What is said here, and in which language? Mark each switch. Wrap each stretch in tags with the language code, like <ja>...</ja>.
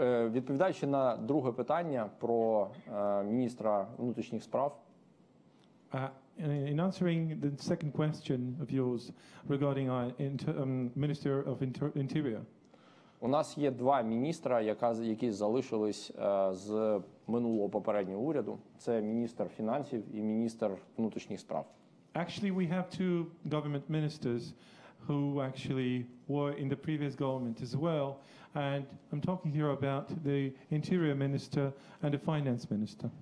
<uk>Відповідаючи на друге питання про міністра внутрішніх справ.</uk> <en>In answering the second question of yours regarding our Minister of Interior.</en> <uk>У нас є два міністра, які залишились з минулого попереднього уряду. Це міністр фінансів і міністр внутрішніх справ.</uk> <en>Actually, we have two government ministers who actually were in the previous government as well. And I'm talking here about the Interior Minister and the Finance Minister.</en>